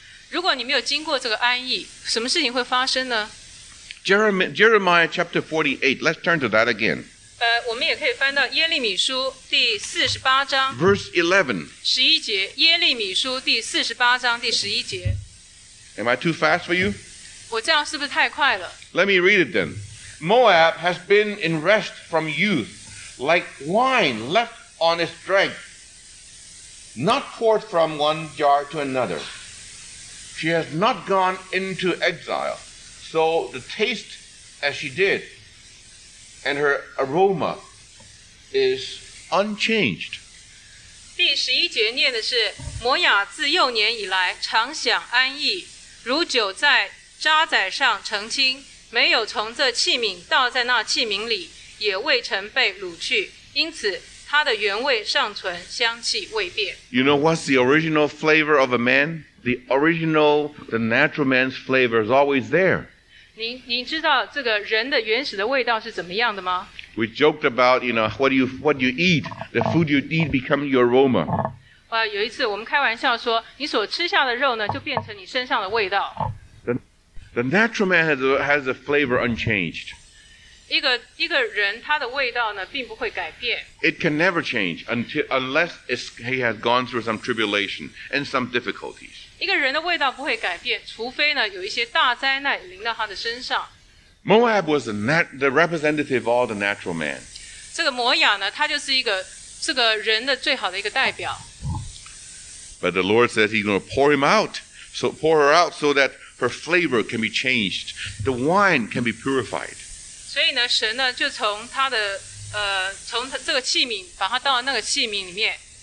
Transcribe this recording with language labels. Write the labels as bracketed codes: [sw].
[zh] 如果你没有经过这个安逸，什么事情会发生呢？ [en] Jeremiah chapter 48. Let's turn to that again. [zh] 我们也可以翻到耶利米书第四十八章 [en] ，verse 11， [zh] 十一节。耶利米书第四十八章第十一节。 [en] Am I too fast for you？ [zh] 我这样是不是太快了 [en] ？Let me read it then. Moab has been in rest from youth, like wine left on its dregs, not poured from one jar to another. She has not gone into exile, so the taste as she did. And her aroma is unchanged. [zh] 第十一节念的是摩雅自幼年以来常享安逸，如酒在渣宰上澄清，没有从这器皿倒在那器皿里，也未曾被掳去，因此它的原味尚存，香气未变。 [en] You know what's the original flavor of a man? The original, the natural man's flavor is always there. [zh] 你知道这个人的原始的味道是怎么样的吗 [en] ？We joked about, you know, what you eat, the food you eat becomes your aroma. [zh] 有一次我们开玩笑说，你所吃下的肉呢，就变成你身上的味道。 [en] The natural man has a flavor unchanged. [zh] 一个人他的味道呢，并不会改变。 [en] It can never change until unless he has gone through some tribulation and some difficulties. [zh] 一个人的味道不会改变，除非呢有一些大灾难临到他的身上。 [en] Moab was the representative of all the natural man. [zh] 这个摩亚呢，他就是一个这个人的最好的一个代表。 [en] But the Lord says He's going to pour him out, so pour her out, so that her flavor can be changed, the wine can be purified. [zh] 所以呢，神呢就从他的，从这个器皿把它倒到那个器皿里面。